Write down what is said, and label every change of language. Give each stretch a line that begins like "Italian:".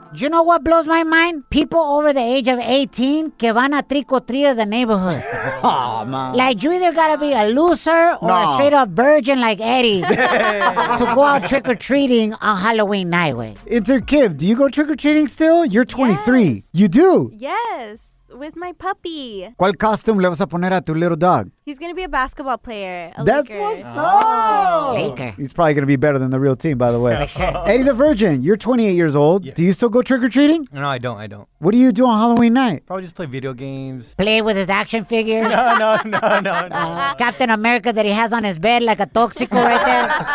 English: You know what blows my mind? People over the age of 18
Spanish: que van a trico-trio
English: the neighborhood. Oh, man. Like, you either got to be a loser or a straight-up virgin like Eddie to go out trick-or-treating on Halloween night. Inter-Kiv, do you go trick-or-treating still? You're 23. Yes. You do? Yes. with my puppy.
Spanish: ¿Cuál costume le vas a poner a tu
English: little dog? He's going to be a basketball player. Laker. He's probably going to be better than the real team, by the way. Eddie the Virgin, you're 28 years old. Yeah. Do you still go trick-or-treating? No, I don't. I don't. What do you do on Halloween night? Probably just play video games. Play with his action figure. No. Captain America that he has on his bed like a toxico right there.